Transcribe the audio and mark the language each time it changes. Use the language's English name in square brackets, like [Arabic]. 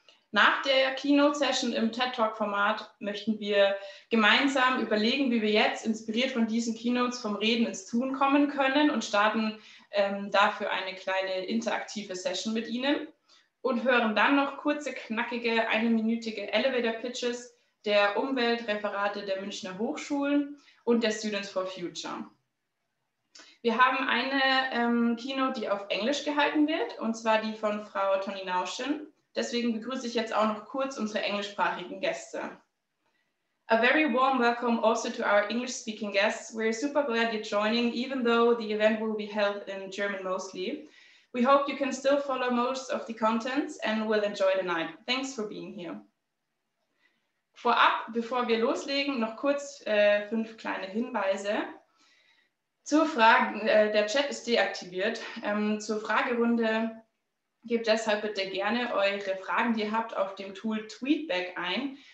[German] Nach der Keynote-Session im TED-Talk-Format möchten wir gemeinsam überlegen, wie wir jetzt inspiriert von diesen Keynotes vom Reden ins Tun kommen können und starten dafür eine kleine interaktive Session mit Ihnen und hören dann noch kurze, knackige, eineminütige Elevator-Pitches der Umweltreferate der Münchner Hochschulen und der Students for Future. Wir haben eine Keynote, die auf Englisch gehalten wird, und zwar die von Frau Toni Nauschen. Deswegen begrüße ich jetzt auch noch kurz unsere englischsprachigen Gäste. [English] A very warm welcome also to our English-speaking guests. We're super glad you're joining, even though the event will be held in German mostly. We hope you can still follow most of the contents and will enjoy the night. Thanks for being here. [German] Vorab, bevor wir loslegen, noch kurz 5 kleine Hinweise. Der Chat ist deaktiviert. Zur Fragerunde gebt deshalb bitte gerne eure Fragen, die ihr habt, auf dem Tool Tweetback ein.